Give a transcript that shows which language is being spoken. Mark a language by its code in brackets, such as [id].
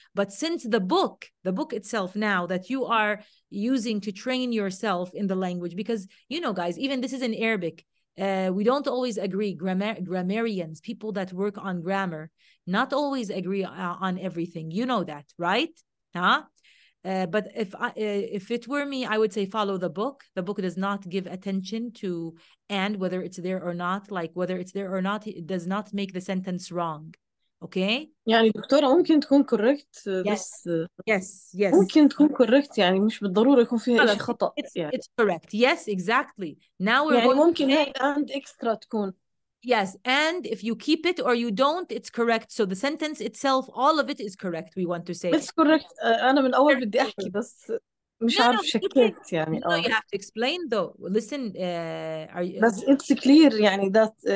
[en] But since the book itself now that you are using to train yourself in the language, because, you know, guys, even this is in Arabic, we don't always agree, grammarians, people that work on grammar, not always agree on everything. You know that, right? Huh? But if it were me, I would say follow the book. The book does not give attention to and whether it's there or not. Like whether it's there or not, it does not make the sentence wrong. Okay? [ar] يعني دكتورة ممكن تكون correct. [en] Yes. [ar] بس, [en] yes. [ar] ممكن تكون correct. يعني مش بالضرورة يكون فيها إشي خطأ. [en] It's correct. Yes, exactly. Now we're [ar] يعني ممكن [en] and extra [ar] تكون. [en] Yes, and if you keep it or you don't, it's correct. So the sentence itself, all of it is correct, we want to say. It's correct. [ar] أنا من أول بدي أحكي بس مش [en] no, [ar] عارف شكيت يعني. [en] No, you have to explain though. Listen, are you... بس it's clear يعني that...